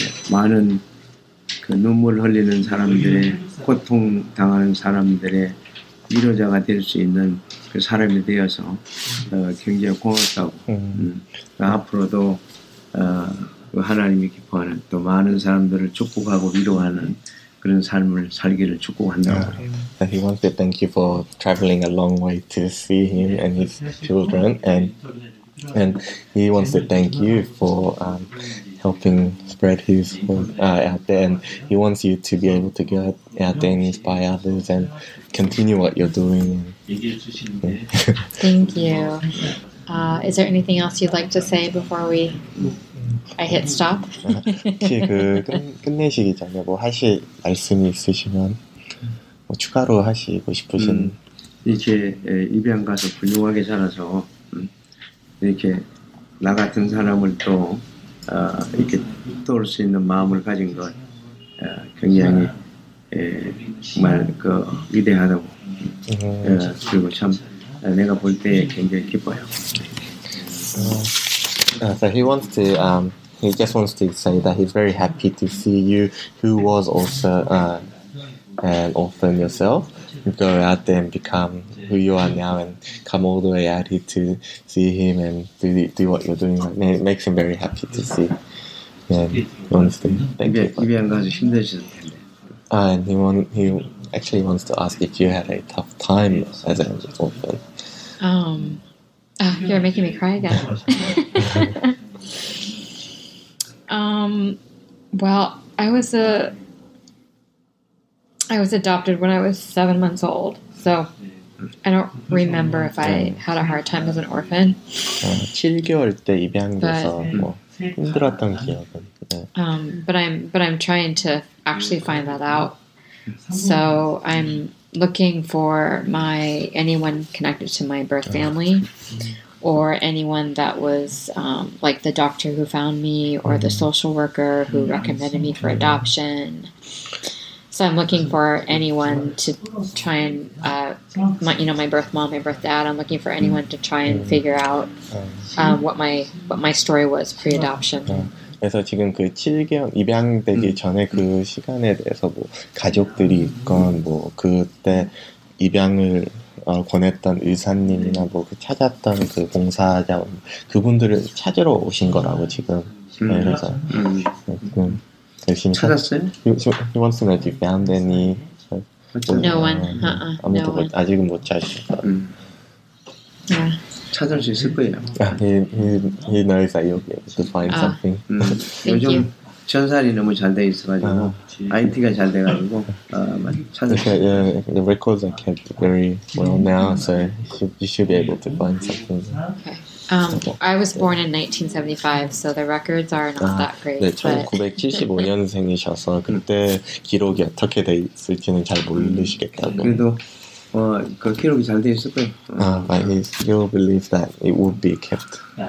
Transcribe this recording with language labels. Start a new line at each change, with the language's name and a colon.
Korean: 많은 그 눈물 흘리는 사람들의 고통 당하는 사람들의 위로자가 될 수 있는 그 사람이 되어서 굉장히 고맙다고 앞으로도 그 하나님이 기뻐하는 또 많은 사람들을 축복하고 위로하는 그런 삶을 살기를 축복한다고
English: And he wants to thank you for traveling a long way to see him and his children and he wants to thank you for helping spread his word out there and he wants you to be able to go out there and inspire others and continue what you're doing thank you is there anything else you'd like to say before we I hit stop
Korean: 혹시 그 끝내시기 전에 뭐 하실 말씀이 있으시면 뭐 추가로 하시고 싶으신 이제 입양 가서 훌륭하게 자라서 이렇게 나 같은 사람을 또 이렇게 도울 수 있는 마음을 가진 것 굉장히 정말 그 위대하다고 그리고 참 내가 볼 때 굉장히 기뻐요.
English: So he wants to he just wants to say that he's very happy to see you who was also an orphan yourself go out there and become who you are now and come all the way out here to see him and do what you're doing. It makes him very happy to see. Yeah, honestly. Thank you. And he actually wants to ask if you had a tough time as an orphan. You're making me cry again. well, I was adopted when I was 7 months old, so I don't remember if I had a hard time as an orphan.
Korean: 7개월 때 입양돼서 뭐 힘들었던 기억은.
English: But I'm trying to actually find that out. So I'm looking for anyone connected to my birth family or anyone that was like the doctor who found me or the social worker who recommended me for adoption. So I'm looking for anyone to try and, my birth mom, my birth dad, I'm looking for anyone to try and figure out what my story was pre-adoption.
Korean: 그래서 지금 그 7개월 입양되기 전에 그 시간에 대해서 뭐 가족들이 있건 뭐 그때 입양을 권했던 의사님이나 뭐 그 찾았던 그 봉사자 그분들을 찾으러 오신 거라고 지금 그래서 지금 열심히 찾았어요?
English: He wants to know if you found any. No one. Uh-uh.
Korean: 아무도
English: no one.
Korean: 아직은 못 찾으셨다.
English: Yeah. He knows that you'll be able to find something. Thank you.
Korean: 요즘 전산이 너무 잘 돼 있어가지고 IT가 잘 돼가지고 찾았어요.
English: The records are kept very well now, so you should be able to find something. Okay. I was born in 1975, so the records are not that great.
Korean: 네, 1975년생이셔서 그때 기록이 어떻게 돼 있을지는 잘 모르시겠다고. 그래도 그 기록이 잘 돼 있을 거예요.
English: But he still believes that it would be kept.